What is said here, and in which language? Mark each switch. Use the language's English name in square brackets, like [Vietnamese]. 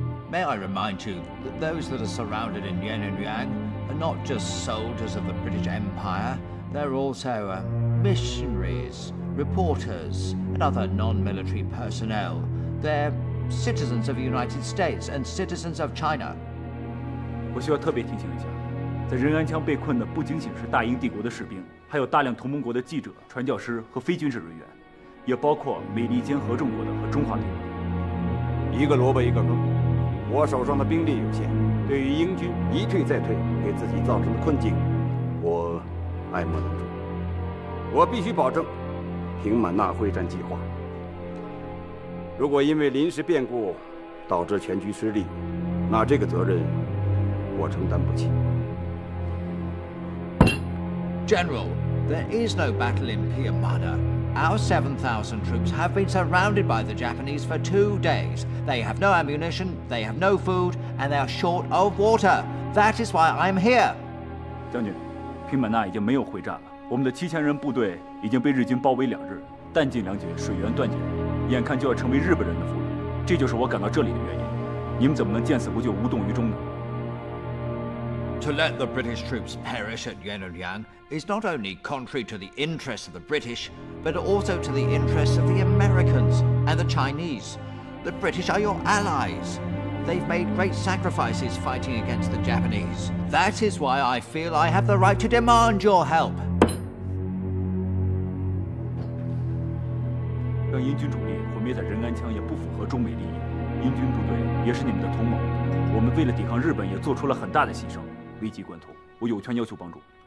[English] May I remind you that those that are surrounded in Yunnan are not just soldiers of the British Empire, they're also missionaries, reporters, and other non-military personnel. They're citizens of the United States and citizens of China. [Chinese] 我需要特别提醒一下，在仁安羌被困的不仅仅是大英帝国的士兵，还有大量同盟国的记者、传教师和非军事人员，也包括美利坚合众国的和中华民国。一个萝卜一个坑，我手上的兵力有限，对于英军一退再退给自己造成的困境，我爱莫能助。我必须保证平满纳会战计划。如果因为临时变故导致全局失利，那这个责任我承担不起。 [English] General, there is no battle in Piamada. Our 7,000 troops have been surrounded by the Japanese for 2 days. They have no ammunition, they have no food, and they are short of water. That is why I'm here. [Chinese] 将军，平满纳已经没有会战了。我们的7000人部队已经被日军包围两日，弹尽粮绝，水源断绝，眼看就要成为日本人的俘虏。这就是我赶到这里的原因。你们怎么能见死不救，无动于衷呢？ [English] To let the British troops perish at Yenilyang is not only contrary to the interests of the British, but also to the interests of the Americans and the Chinese. The British are your allies. They've made great sacrifices fighting against the Japanese. That is why I feel I have the right to demand your help. [Chinese] 让英军主力毁灭在仁安枪也不符合中美利益。英军部队也是你们的同盟，我们为了抵抗日本也做出了很大的牺牲。危急关头，我有权要求帮助。